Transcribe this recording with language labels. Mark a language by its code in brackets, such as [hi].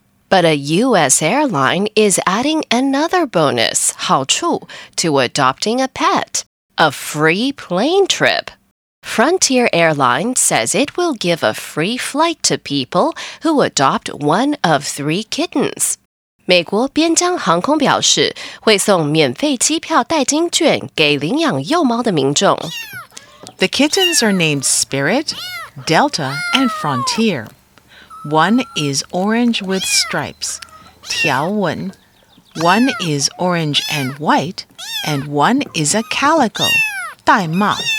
[en] But a U.S. airline is adding another bonus, 好处, to adopting a pet, a free plane trip. Frontier Airlines says it will give a free flight to people who adopt one of 3 kittens. [zh] 美国边疆航空表示会送免费机票代金券给领养幼猫的民众。 [en] The kittens are named Spirit, Delta, and Frontier. One is orange with stripes, 条纹. One is orange and white, and one is a calico, 玳瑁.